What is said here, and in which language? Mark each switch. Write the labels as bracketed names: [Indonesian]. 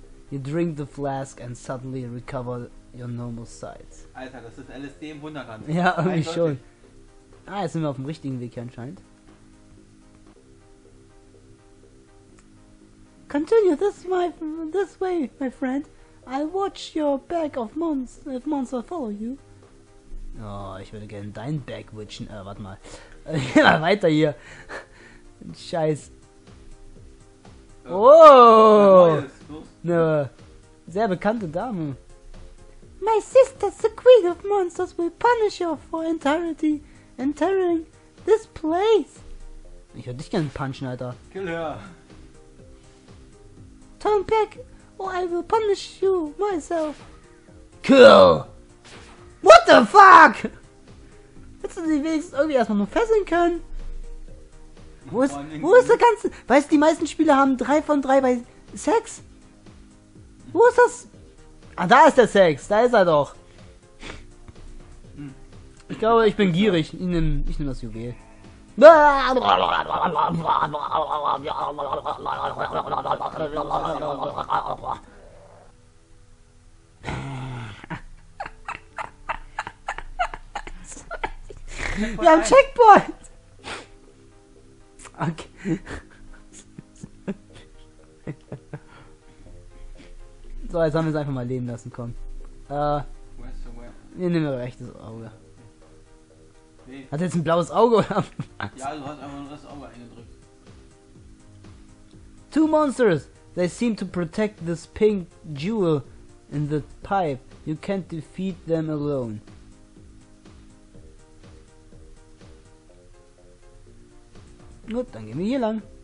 [English] You drink the flask and suddenly recover your normal sight. [German] Alter, das ist LSD im Wunderland. Ja, irgendwie schon. Ah, jetzt sind wir auf dem richtigen Weg hier anscheinend. [English] Continue this way, my friend. I'll watch your bag of monsters, if monsters follow you. [German] Oh, ich würde gerne dein Bag witchen. Warte mal. Geh mal weiter hier. Scheiß. Oh! Eine sehr bekannte Dame. [English] My sister, the queen of monsters, will punish you for entering this place. [German] Ich würde dich gerne punchen, Alter. [English] Kill her. Turn back, or I will punish you myself. Kill! What the fuck? [German] Hättest du sie wenigstens irgendwie erstmal nur fesseln können? Wo ist der ganze... Weißt du, die meisten Spieler haben 3 von 3 bei Sex? Wo ist das? Ah, da ist der Sex. Da ist er doch. Ich glaube, ich bin gierig. Ich nehme das Juwel. Wir haben Checkpoint! Okay. So, jetzt haben wir es einfach mal leben lassen, komm. Wir nehmen ein rechtes Auge. Nee. Hat jetzt ein blaues Auge oder? Ja, du hast einfach nur das Auge eingedrückt. [English] Two monsters! They seem to protect this pink jewel in the pipe. You can't defeat them alone. [German] Gut, dann gehen wir hier lang.